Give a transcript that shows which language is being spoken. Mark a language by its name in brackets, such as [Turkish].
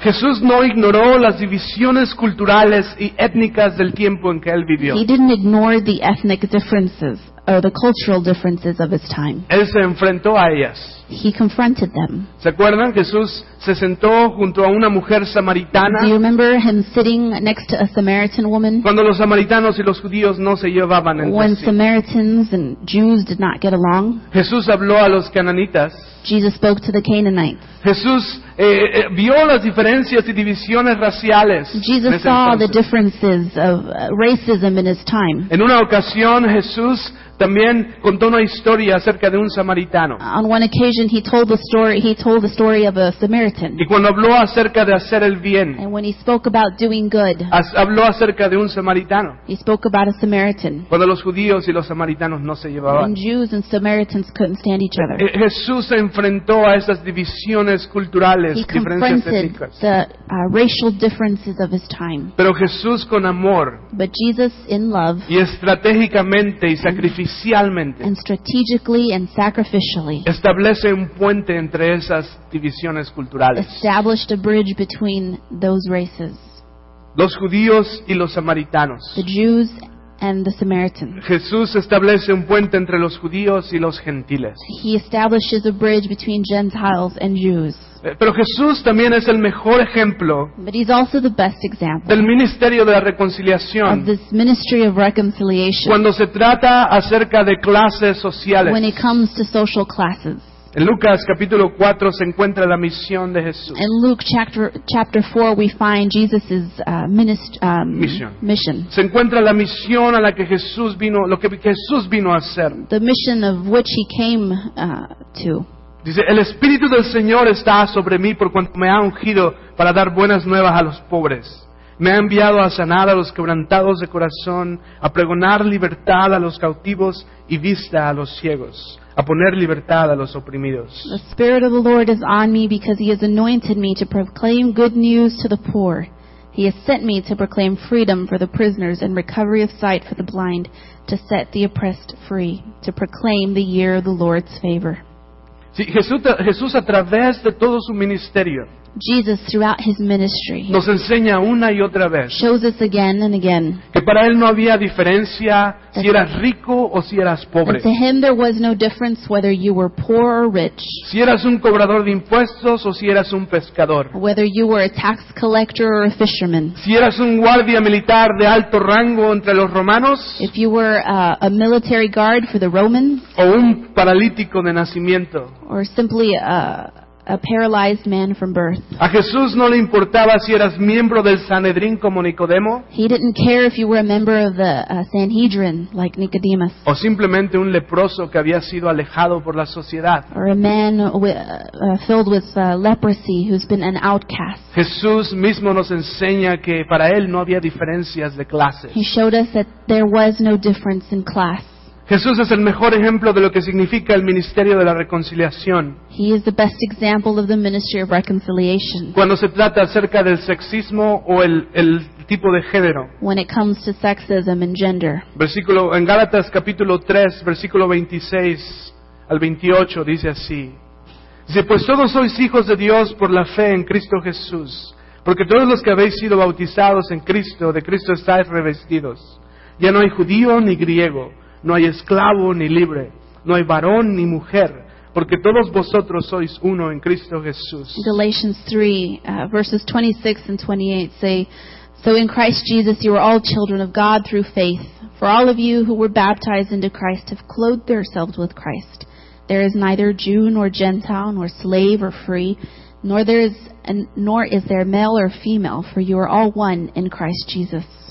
[Spanish] Jesús no ignoró las divisiones culturales y étnicas del tiempo en que él vivió. [English] He didn't ignore the ethnic differences or the cultural differences of his time. [Spanish] Él se enfrentó a ellas. [English] He confronted them. [Spanish] ¿Se acuerdan? Jesús se sentó junto a una mujer samaritana. [English] Do you remember him sitting next to a Samaritan woman? [Spanish] Cuando los samaritanos y los judíos no se llevaban entre sí. [English] When Samaritans and Jews did not get along. [Spanish] Jesús habló a los cananitas. [English] Jesus spoke to the Canaanites. [Spanish] Jesús vio las diferencias y divisiones raciales. [English] Jesus saw the differences of racism in his time. [Spanish] En una ocasión Jesús también contó una historia acerca de un samaritano. [English] On one occasion he told the story of a Samaritan. [Spanish] Y cuando habló acerca de hacer el bien. [English] And when he spoke about doing good. [Spanish] Habló acerca de un samaritano. [English] He spoke about a Samaritan. [Spanish] Cuando los judíos y los samaritanos no se llevaban. [English] When Jews and Samaritans couldn't stand each other. [Spanish] Jesús se enfrentó a esas divisiones culturales, [English] racial differences of his time. [Spanish] Pero Jesús con amor. [English] But Jesus in love. [Spanish] Y estratégicamente y sacrificialmente. [English] And strategically and sacrificially [Spanish] establece un puente entre esas divisiones culturales. [English] Established a bridge between those races. [Spanish] Los judíos y los samaritanos. [English] The Jews and the Samaritans. [Spanish] Jesús establece un puente entre los judíos y los gentiles. [English] He establishes a bridge between Gentiles and Jews. [Spanish] Pero Jesús también es el mejor ejemplo del ministerio de la reconciliación. [English] Of this ministry of reconciliation. [Spanish] Cuando se trata acerca de clases sociales. [English] When it comes to social classes. [Spanish] En Lucas capítulo 4 se encuentra la misión de Jesús. [English] In Luke chapter 4 we find Jesus's mission. [Spanish] Se encuentra la misión a la que Jesús vino, lo que Jesús vino a hacer. [English] The mission of which he came to. [Spanish] Dice, el Espíritu del Señor está sobre mí por cuanto me ha ungido para dar buenas nuevas a los pobres. Me ha enviado a sanar a los quebrantados de corazón, a pregonar libertad a los cautivos y vista a los ciegos, a poner libertad a los oprimidos. [English] The Spirit of the Lord is on me because He has anointed me to proclaim good news to the poor. He has sent me to proclaim freedom for the prisoners and recovery of sight for the blind, to set the oppressed free, to proclaim the year of the Lord's favor. [Spanish] Sí, Jesús a través de todo su ministerio. [English] Jesus throughout his ministry. [Spanish] Nos enseña una y otra vez. [English] Shows us again and again. [Spanish] Que para él no había diferencia si eras rico o si eras pobre. [English] To him there was no difference whether you were poor or rich. [Spanish] Si eras un cobrador de impuestos o si eras un pescador. [English] Whether you were a tax collector or a fisherman. [Spanish] Si eras un guardia militar de alto rango entre los romanos. [English] If you were a military guard for the Romans. [Spanish] O un paralítico de nacimiento. [English] Or simply a paralyzed man from birth. [Spanish] A Jesús no le importaba si eras miembro del Sanedrín como Nicodemo. [English] He didn't care if you were a member of the Sanhedrin like Nicodemus. [Spanish] O simplemente un leproso que había sido alejado por la sociedad. [English] Or a man filled with leprosy who's been an outcast. [Spanish] Jesús mismo nos enseña que para él no había diferencias de clases. [English] He showed us that there was no difference in class. [Spanish] Jesús es el mejor ejemplo de lo que significa el ministerio de la reconciliación. [English] He is the best example of the ministry of reconciliation. [Spanish] Cuando se trata acerca del sexismo o el tipo de género. [English] When it comes to sexism and gender. [Spanish] Versículo en Gálatas capítulo 3, versículo 26 al 28 dice así: Dice, pues todos sois hijos de Dios por la fe en Cristo Jesús, porque todos los que habéis sido bautizados en Cristo, de Cristo estáis revestidos. Ya no hay judío ni griego, no hay esclavo ni libre, no hay varón ni mujer, porque todos vosotros sois uno en Cristo Jesús. [English] Galatians 3, verses 26 and 28 say, So in Christ Jesus you are all children of God through faith. For all of you who were baptized into Christ have clothed yourselves with Christ. There is neither Jew nor Gentile, nor slave or free, nor is there male or female, for you are all one in Christ Jesus.